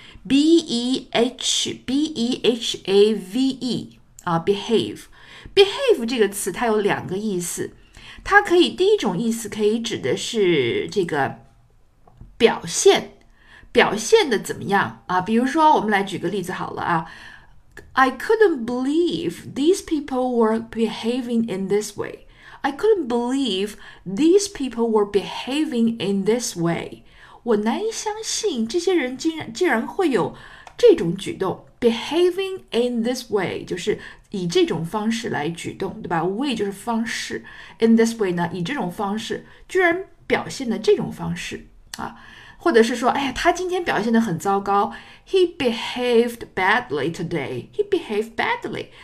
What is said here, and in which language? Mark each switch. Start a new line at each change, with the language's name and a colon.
Chinese: behave 啊，behave 这个词它有两个意思，它可以第一种意思可以指的是这个表现的怎么样啊？比如说，我们来举个例子好了啊，
English: I couldn't believe these people were behaving in this way. I couldn't believe these people were behaving in this way.
Chinese: 我难以相信这些人竟然会有这种举动，
English: behaving in this way
Chinese: 就是以这种方式来举动，对吧？way 就是方式，
English: in this way
Chinese: 呢，以这种方式居然表现的这种方式啊，或者是说，哎呀，他今天表现得很糟糕，
English: He behaved badly today. He behaved badly.